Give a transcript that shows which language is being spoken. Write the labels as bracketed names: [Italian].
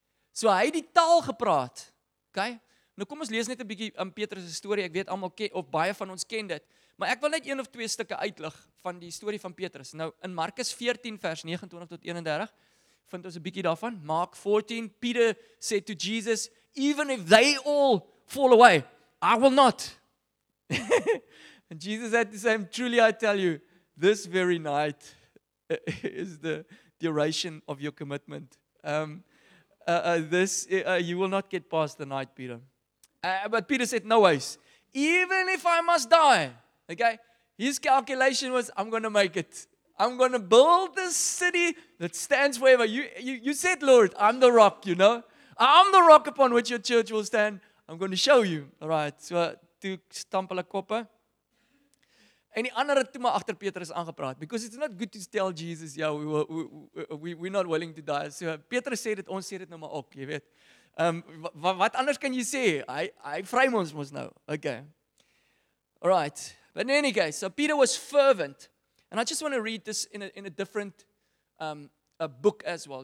[Afrikaans] So hy het die taal gepraat. Okay? Nou kom ons lees net 'n bietjie in Petrus se storie. Ek weet almal ken, of baie van ons ken dit. Maar ek wil net een of twee stukke uitlig van die storie van Petrus. Nou, in Markus 14 vers 29 tot 31 vind ons 'n bietjie daarvan. [English] Mark 14, Peter said to Jesus, even if they all fall away, I will not. And Jesus had to say, truly I tell you, this very night is the duration of your commitment. You will not get past the night, Peter. But Peter said, no ways. Even if I must die, okay? His calculation was, I'm going to make it. I'm going to build this city that stands forever. You said, Lord, I'm the rock, you know? I'm the rock upon which your church will stand. I'm going to show you. All right. So, [Afrikaans] toe stamp hulle koppe. En die ander het toe maar agter Petrus aangepraat. [English] Because it's not good to tell Jesus, yeah, we're not willing to die. [Afrikaans] So, Petrus sê dit, ons sê dit nou maar ook, jy weet. Wat anders kan jy sê? Hy vry ons nou. Okay. All right. [English] But in any case, so Peter was fervent. And I just want to read this in a different a book as well.